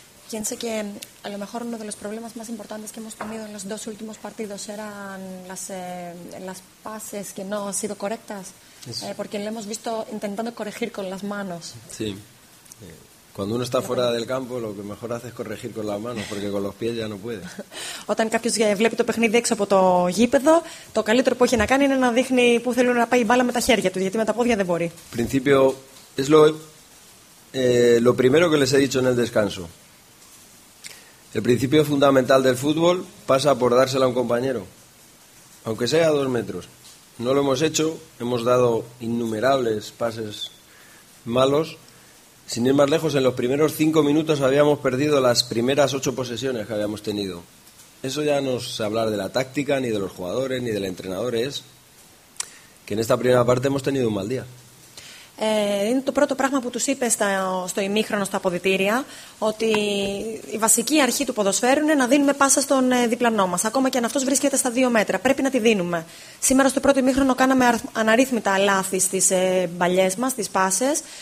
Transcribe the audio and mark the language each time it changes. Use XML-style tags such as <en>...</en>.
<es>Piensa que a lo mejor uno de los problemas más importantes que hemos tenido en los dos últimos partidos eran las pases que no han sido correctas, porque lo hemos visto intentando corregir con las manos. Sí, cuando uno está fuera del campo lo que mejor hace es corregir con las manos, porque con los pies ya no puede.</es> <el>Όταν κάποιος βλέπει το παιχνίδι έξω από το γήπεδο, το καλύτερο που έχει να κάνει είναι να δείχνει πού θέλει να πάει η μπάλα με τα χέρια του, γιατί με τα πόδια δεν μπορεί.</el> <es>Principio es lo primero que les he dicho en el descanso. El principio fundamental del fútbol pasa por dársela a un compañero, aunque sea a dos metros. No lo hemos hecho, hemos dado innumerables pases malos. Sin ir más lejos, en los primeros cinco minutos habíamos perdido las primeras ocho posesiones que habíamos tenido. Eso ya no es hablar de la táctica, ni de los jugadores, ni del entrenador, es que en esta primera parte hemos tenido un mal día.</es> <el>Είναι το πρώτο πράγμα που τους είπε στο ημίχρονο στα αποδυτήρια, ότι η βασική αρχή του ποδοσφαίρου είναι να δίνουμε πάσα στον διπλανό μας, ακόμα και αν αυτός βρίσκεται στα δύο μέτρα. Πρέπει να τη δίνουμε. Σήμερα στο πρώτο ημίχρονο κάναμε αναρρύθμιτα λάθη στις μπαλιές μας, στις πάσες.</el>